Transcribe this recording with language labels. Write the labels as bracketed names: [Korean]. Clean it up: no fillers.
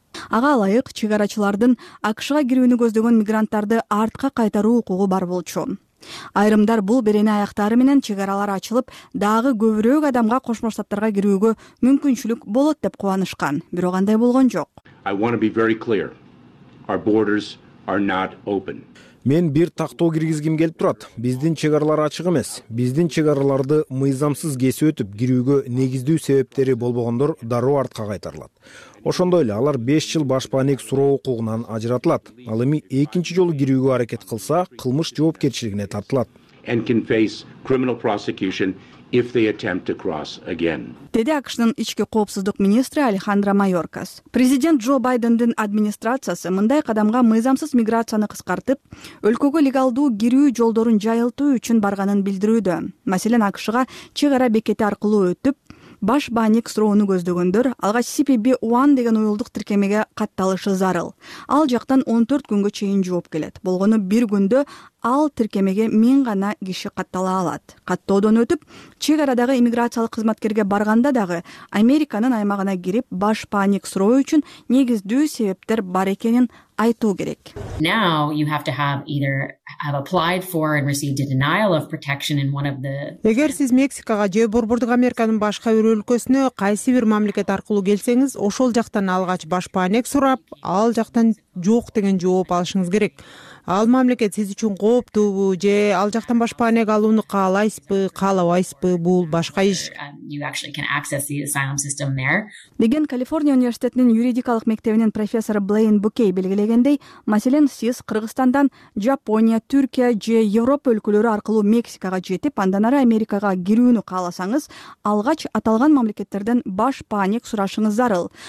[Kyrgyz] Ага ылайык, чек арачылардын АКШга кирүүнү көздөгөн мигранттарды артка кайтаруу укугу бар болчу. Айрымдар бул берене аяктары менен чек аралар ачылып, дагы көбүрөөк адамга Кошмо Штаттарга кирүүгө мүмкүнчүлүк болот деп кубанышкан. Бирок андай болгон жок. [English] I want to be very clear. Our borders are not open. [Kyrgyz] Мен бир тактоо киргизгим келип турат. Биздин чек аралар ачык эмес. Биздин чек араларды мыйзамсыз кесип өтүп кирүүгө негиздүү себептери болбогондор дароо артка кайтарылат. Ошондой эле алар 5 жыл башпаанек суроо укугунан ажыратылат. Ал эми экинчи жолу кирүүгө аракет кылса, кылмыш жоопкерчилигине тартылат. [English] And can face criminal prosecution if they attempt to cross again. [Kyrgyz] Деди АКШнын ички коопсуздук министри Алехандро Майоркас. Президент Джо Байдендин администрациясы мындай кадамга мыйзамсыз миграцияны кыскартып, өлкөгө легалдуу кирүү жолдорун жайылтуу үчүн барганын билдирүүдө. Маселен, АКШга чек ара бекети аркылуу өтүп, баш бааник суроону көздөгөндөр алгач CPB-1 деген уюлдук тиркемеге катталышы зарыл. Ал жактан 14 күнгө чейин жооп келет. Болгону бир күндө ал тиркемеге 1000 гана киши каттала алат. Каттоодон өтүп, чек арадагы иммиграциялык кызматкерге барганда дагы Американын аймагына кирип, баш бааник суроо үчүн негиздүү себептер бар экенин айтуу керек. [English] Now you have to have either have applied for and received a denial of protection in one of the [Kyrgyz] Эгер сиз Мексикага же борбордук Американын башка бир өлкөсүнө кайсы бир мамлекет аркылуу келсеңиз, ошол жактан алгач баш бааник сурап, ал жактан жок деген жооп алышыңыз керек. Ал мамлекет сиз үчүн кооптуубу же ал жактан баш бааник алууну каалайсызбы, каалабайсызбы, бул башка иш. [English] You actually can access the asylum system there. [Kyrgyz] Деген Калифорния университетинин юридикалык мектебинин профессору Блейн Букей белгилегендей, маселен, сиз Кыргызстандан Жапония, Түркия же Европа өлкөлөрү аркылуу Мексикага жетип, андан ары Америкага кирүүнү кааласаңыз, алгач аталган мамлекеттерден баш бааник сурашыңыз зарыл.